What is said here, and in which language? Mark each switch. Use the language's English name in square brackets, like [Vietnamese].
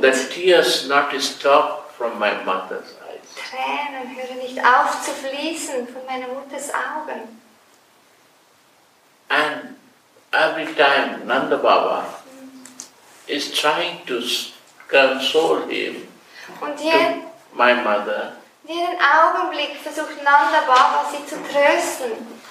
[English] The tears not stop from my mother's eyes. [German] Tränen hören nicht auf zu fließen von meiner Mutters Augen. [English] And every time Nanda Baba is trying to console him. [German] Und jeden. [English] My mother. [German] In jeden Augenblick versucht Nanda Baba sie zu trösten.